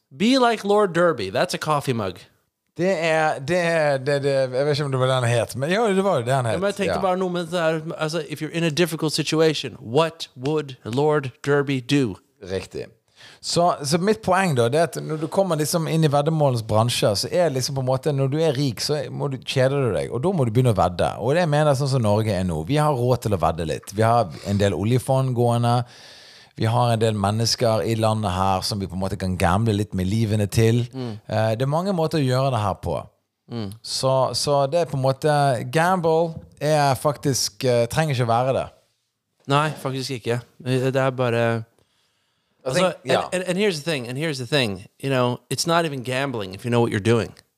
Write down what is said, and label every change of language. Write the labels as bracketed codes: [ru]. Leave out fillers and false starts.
[en] Be like Lord Derby, that's a coffee mug. [no] Det, jeg vet ikke om det var det han het, men jo, det var det han het. Ja, men jeg tenkte bare noe med det der, altså, [en] if you're in a difficult situation, what would Lord Derby do? [no] Riktig. Så mitt poeng da, det at når du kommer liksom inn i veddemålens bransje, så er det liksom på en måte, når du rik, så må du, kjeder du deg, og da må du begynne å vedde. Og det mener jeg sånn som Norge er nå. Vi har råd til å vedde litt. Vi har en del oljefond gående. Vi har en del mennesker i landet her som vi på en måte kan gamble litt med livene til. Det er mange måter å gjøre det her på. Så det er på en måte, gamble er faktisk, trenger ikke være det. Nei, faktisk ikke. Det er bare... [en] And here's the thing, you know, it's not even gambling if you know what you're doing.